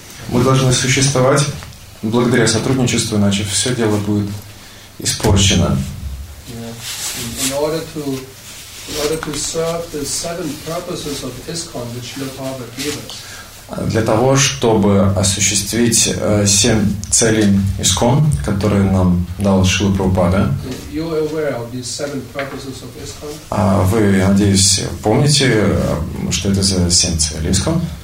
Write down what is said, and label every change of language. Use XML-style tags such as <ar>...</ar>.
<ru>Мы должны существовать благодаря сотрудничеству, иначе все дело будет испорчено.</ru> <en>Yeah. In order to serve the seven purposes of ISKCON, which Shrila Prabhupada gave us.</en> <ru>Для того, чтобы осуществить семь целей ИСКОН, которые нам дал Шрила Прабхупада. Вы, надеюсь, помните, что это за семь целей ИСКОН?</ru>